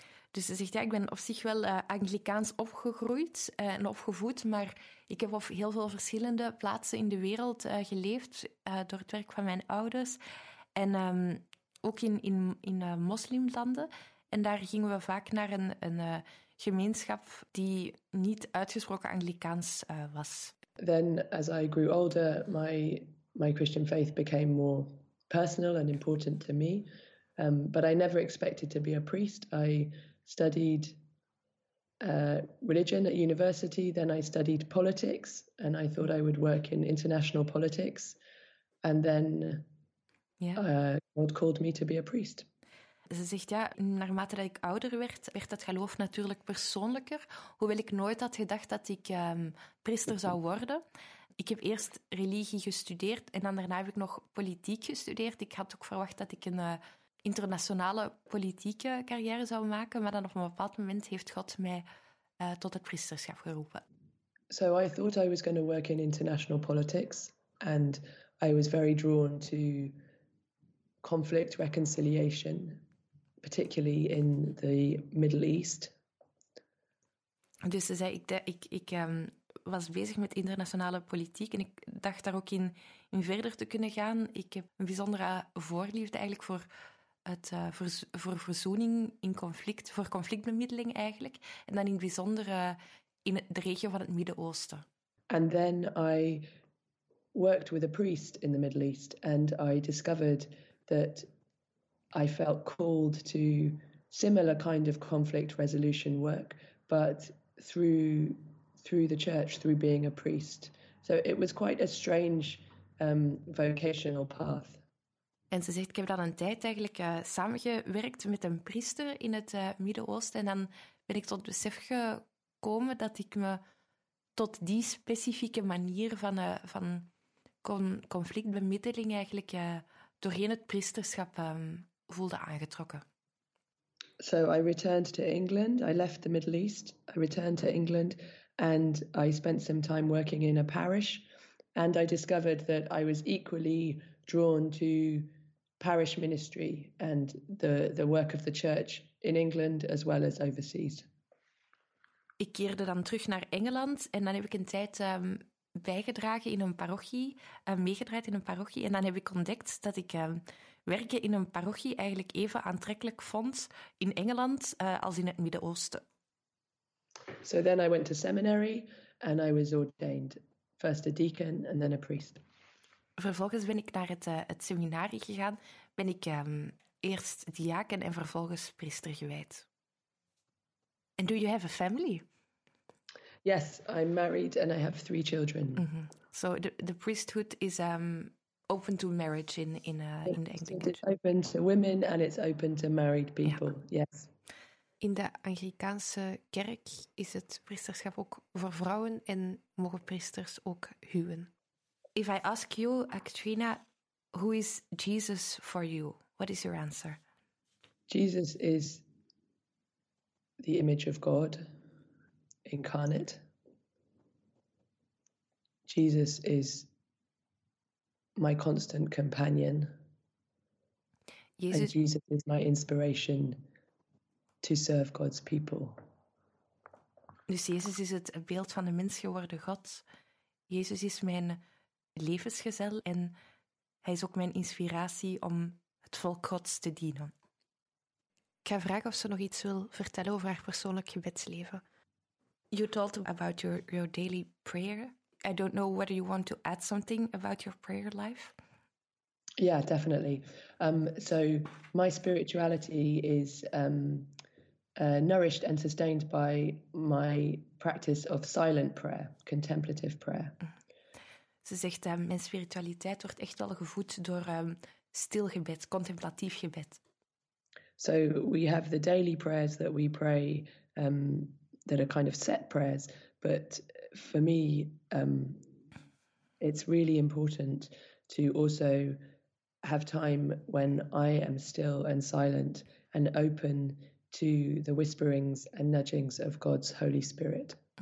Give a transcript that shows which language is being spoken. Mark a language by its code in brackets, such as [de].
[nl] Dus ze zegt, ja, ik ben op zich wel Anglicaans opgegroeid en opgevoed, maar ik heb op heel veel verschillende plaatsen in de wereld geleefd door het werk van mijn ouders. En ook in moslimlanden. En daar gingen we vaak naar een gemeenschap die niet uitgesproken Anglicaans was. [en] Then as I grew older, my Christian faith became more personal and important to me. But I never expected to be a priest. I studied religion at university, then I studied politics and I thought I would work in international politics. And then God called me to be a priest. [nl] Ze zegt, ja, naarmate dat ik ouder werd, werd dat geloof natuurlijk persoonlijker. Hoewel ik nooit had gedacht dat ik priester zou worden. Ik heb eerst religie gestudeerd en dan daarna heb ik nog politiek gestudeerd. Ik had ook verwacht dat ik een internationale politieke carrière zou maken. Maar dan op een bepaald moment heeft God mij tot het priesterschap geroepen. [en] So I thought I was going to work in international politics. And I was very drawn to conflict reconciliation, particularly in the Middle East. [nl] Dus ze zei, ik was bezig met internationale politiek en ik dacht daar ook in verder te kunnen gaan. Ik heb een bijzondere voorliefde eigenlijk voor het voor verzoening in conflict, voor conflictbemiddeling eigenlijk. En dan in het bijzondere in de regio van het Midden-Oosten. [en] And then I worked with a priest in the Middle East and I discovered that I felt called to similar kind of conflict resolution work, but through the church, through being a priest. So it was quite a strange vocational path. [nl] En ze zegt, ik heb dan een tijd eigenlijk samengewerkt met een priester in het Midden-Oosten. En dan ben ik tot het besef gekomen dat ik me tot die specifieke manier van conflictbemiddeling eigenlijk doorheen het priesterschap voelde aangetrokken. [en] So I returned to England. I left the Middle East. I returned to England and I spent some time working in a parish. And I discovered that I was equally drawn to parish ministry and the work of the church in England as well as overseas. [nl] Ik keerde dan terug naar Engeland en dan heb ik een tijd bijgedragen in een parochie, meegedraaid in een parochie. En dan heb ik ontdekt dat ik werken in een parochie eigenlijk even aantrekkelijk vond in Engeland als in het Midden-Oosten. [en] So then I went to seminary and I was ordained. First a deacon and then a priest. [nl] Vervolgens ben ik naar het seminarie gegaan. Ben ik eerst diaken en vervolgens priester gewijd. [en] And do you have a family? Yes, I'm married and I have 3 children. Mm-hmm. So the priesthood is open to marriage in the Anglican Church. It's open to women and it's open to married people, ja. Yes. [nl] In de Anglicaanse kerk is het priesterschap ook voor vrouwen en mogen priesters ook huwen. [en] If I ask you, Katrina, who is Jesus for you? What is your answer? Jesus is the image of God incarnate. Jesus is my constant companion. Jesus, and Jesus is my inspiration to serve God's people. [nl] Dus Jezus is het beeld van de mens geworden God. Jezus is mijn levensgezel en hij is ook mijn inspiratie om het volk Gods te dienen. Ik ga vragen of ze nog iets wil vertellen over haar persoonlijk gebedsleven. [en] You told about your daily prayer. I don't know whether you want to add something about your prayer life. Yeah, definitely. So my spirituality is nourished and sustained by my practice of silent prayer, contemplative prayer. [nl] Ze zegt, mijn spiritualiteit wordt echt wel gevoed door stil gebed, contemplatief gebed. [en] So we have the daily prayers that we pray, that are kind of set prayers, but for me, it's really important to also have time when I am still and silent and open to the whisperings and nudgings of God's Holy Spirit.